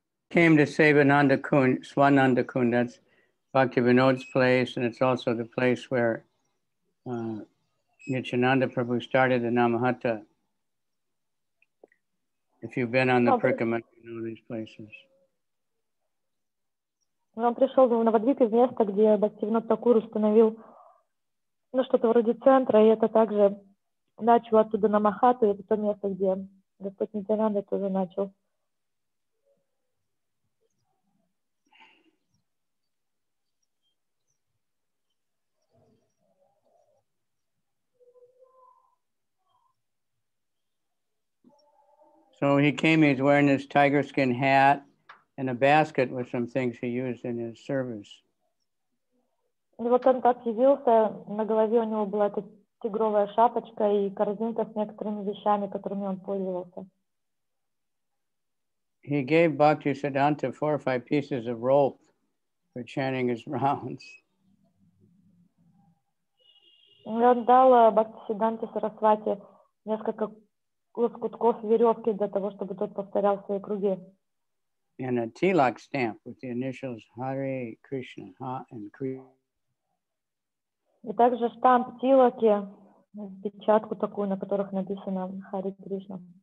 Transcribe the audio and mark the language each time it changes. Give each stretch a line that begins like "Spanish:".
English: Came to save Ananda Kund, Swananda Kund, that's Bhaktivinoda's place, and it's also the place where Nityananda Prabhu started the Namahatta. If you've been on the Prikama, you know these places.
Russian: Он пришел в Навадвип из места, где Бхактивинода Такур установил ну, что-то вроде центра, и это также начал оттуда Намахату, это то место, где Господь Нитянанда тоже начал.
English: So he came, he's wearing his tiger skin hat. And a basket with some things he used in his service.
Russian: И вот он так явился, на голове у него была эта тигровая шапочка и корзинка с некоторыми вещами, которыми он пользовался.
English: He gave Bhakti Siddhanta 4 or 5 pieces of rope for chanting his rounds.
Russian: И он дал Бхакти Сидданте Сарасвати несколько лоскутков веревки для того, чтобы тот повторял свои круги.
English: And a tilak stamp with the initials Hare Krishna, Ha and Krishna.
Russian: И также штамп тилаки, печатку такую, на которых написано Hare Krishna.